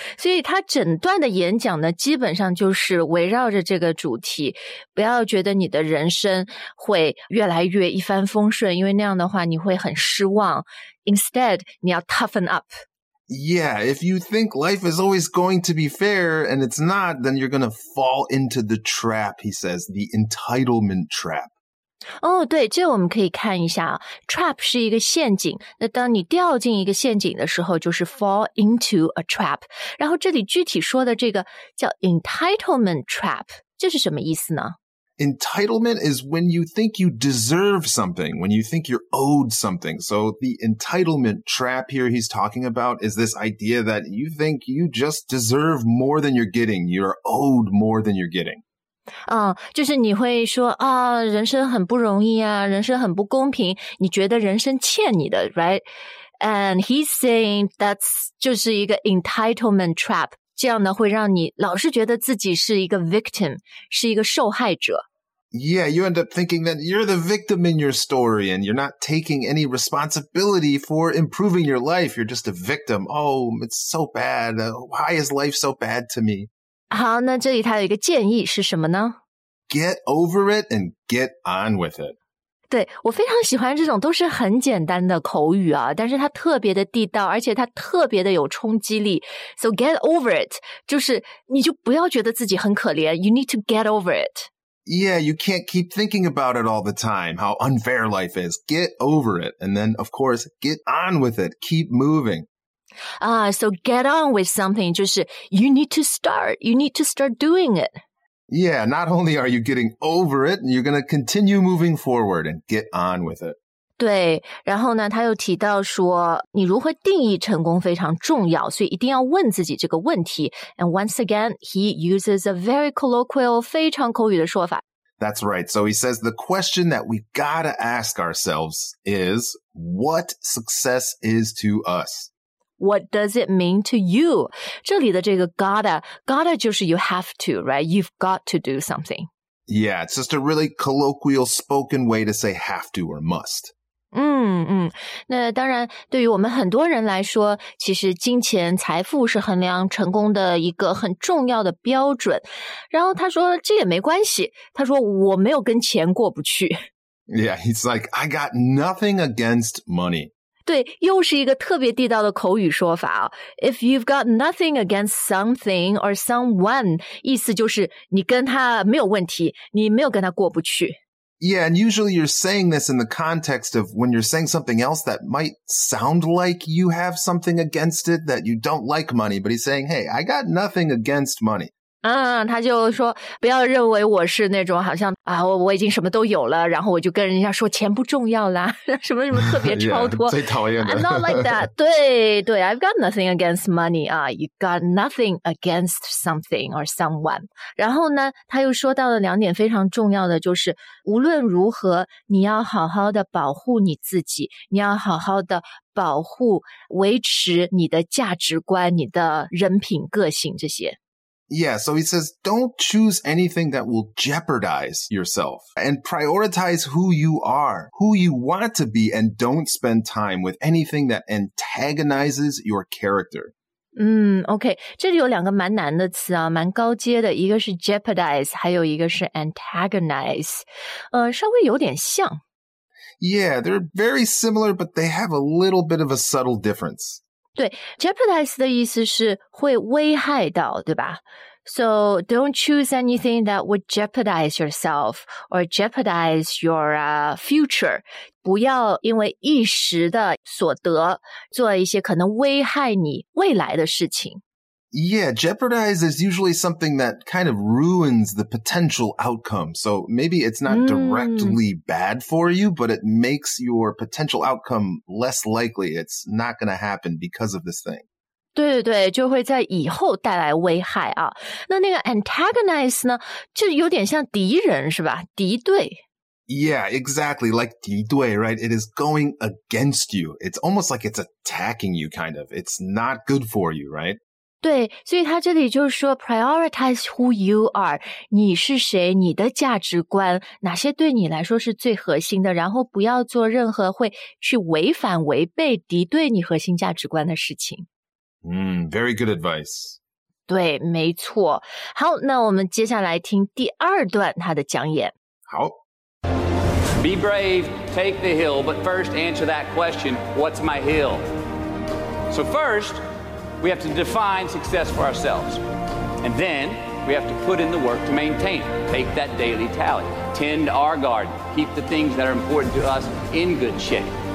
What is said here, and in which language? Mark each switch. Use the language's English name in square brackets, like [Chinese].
[Chinese] 所以他整段的演讲呢，基本上就是围绕着这个主题，不要觉得你的人生会越来越一帆风顺，因为那样的话你会很失望。 [English] Instead, [Chinese] 你要 [English] toughen up. Yeah, if you think life is always going to be fair and it's not, then you're going to fall into the trap, he says, the entitlement trap. [Chinese] Oh, 对，这我们可以看一下 Trap 是一个陷阱，那当你掉进一个陷阱的时候，就是 [English] fall into a trap。 [Chinese] 然后这里具体说的这个叫 entitlement trap， 这是什么意思呢？ [English] Entitlement is when you think you deserve something, when you think you're owed something. So the entitlement trap here he's talking about is this idea that you think you just deserve more than you're getting, you're owed more than you're getting. [Chinese] 就是你会说啊，人生很不容易啊，人生很不公平，你觉得人生欠你的 ， [English] right? And he's saying that's [Chinese] 就是一个 entitlement trap， 这样呢会让你老是觉得自己是一个 victim， 是一个受害者。 [English] Yeah, you end up thinking that you're the victim in your story and you're not taking any responsibility for improving your life. You're just a victim. Oh, it's so bad. Why is life so bad to me? [Chinese] 好，那这里他有一个建议是什么呢？ [English] Get over it and get on with it. [Chinese] 对，我非常喜欢这种都是很简单的口语啊，但是它特别的地道，而且它特别的有冲击力。 [English] So get over it, [Chinese] 就是你就不要觉得自己很可怜， [English] you need to get over it. yeah, you can't keep thinking about it all the time, how unfair life is. Get over it. And then, of course, get on with it. Keep moving. So get on with something. Just you need to start. You need to start doing it. Yeah, not only are you getting over it, you're going to continue moving forward and get on with it. [Chinese] 对，然后呢，他又提到说，你如何定义成功非常重要，所以一定要问自己这个问题。 [English] And once again, he uses a very colloquial, [Chinese] 非常口语的说法。 [English] That's right. So he says the question that we gotta ask ourselves is, what success is to us? What does it mean to you? [Chinese] 这里的这个 [English] gotta [Chinese] 就是 [English] you have to, right? You've got to do something. Yeah, it's just a really colloquial spoken way to say have to or must. [Chinese] 那当然对于我们很多人来说，其实金钱财富是衡量成功的一个很重要的标准。然后他说这也没关系，他说我没有跟钱过不去。 [English] Yeah, he's like, I got nothing against money. [Chinese] 对，又是一个特别地道的口语说法。 [English] If you've got nothing against something or someone, [Chinese] 意思就是你跟他没有问题，你没有跟他过不去。 [English] Yeah, and usually you're saying this in the context of when you're saying something else that might sound like you have something against it, that you don't like money, but he's saying, hey, I got nothing against money. [Chinese] 他就说不要认为我是那种好像啊我已经什么都有了然后我就跟人家说钱不重要啦什么什么特别超脱。 yeah, 最讨厌的。 [English] I'm not like that. 对对 ,I've got nothing against money. You got nothing against something or someone. [Chinese] 然后呢他又说到了两点非常重要的就是无论如何你要好好的保护你自己你要好好的保护维持你的价值观你的人品个性这些。 [English] Yeah, so he says, don't choose anything that will jeopardize yourself and prioritize who you are, who you want to be, and don't spend time with anything that antagonizes your character. [Chinese] Okay, 这里有两个蛮难的词啊，蛮高阶的，一个是 jeopardize, 还有一个是 antagonize, 稍微有点像。 [English] Yeah, they're very similar, but they have a little bit of a subtle difference. 对 ,jeopardize [Chinese] 的意思是会危害到对吧 [English] ?So don't choose anything that would jeopardize yourself or jeopardize your future. [Chinese] 不要因为一时的所得做一些可能危害你未来的事情。 [English] Yeah, jeopardize is usually something that kind of ruins the potential outcome. So maybe it's not directly bad for you, but it makes your potential outcome less likely. It's not going to happen because of this thing. [Chinese] 对对对，就会在以后带来危害啊。那个 antagonize 呢，就有点像敌人是吧？敌对。 [English] Yeah, exactly, like 敌对, right? It is going against you. It's almost like it's attacking you, kind of. It's not good for you, right? [Chinese] 对，所以他这里就是说 [English] prioritize who you are, [Chinese] 你是谁，你的价值观，哪些对你来说是最核心的，然后不要做任何会去违反、违背、敌对你核心价值观的事情。 [English] Very good advice. [Chinese] 对，没错。好，那我们接下来听第二段他的讲演。好。 [English] Be brave, take the hill, but first answer that question, what's my hill? So first... We have to define success for ourselves. And then we have to put in the work to maintain it. Take that daily tally. Tend our garden. Keep the things that are important to us in good shape.